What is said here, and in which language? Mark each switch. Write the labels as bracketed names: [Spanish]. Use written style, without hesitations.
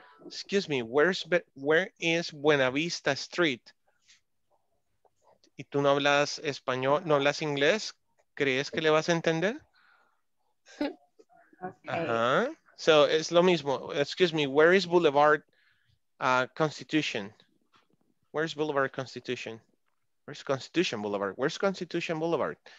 [English] Excuse me, where is Buena Vista Street? [Spanish] Y tú no hablas español, no hablas inglés, ¿crees que le vas a entender? [English] Okay. [Spanish] Uh-huh. So, es lo mismo. [English] Excuse me, where is Boulevard Constitution? Where's Boulevard Constitution? Where's Constitution Boulevard? Where's Constitution Boulevard?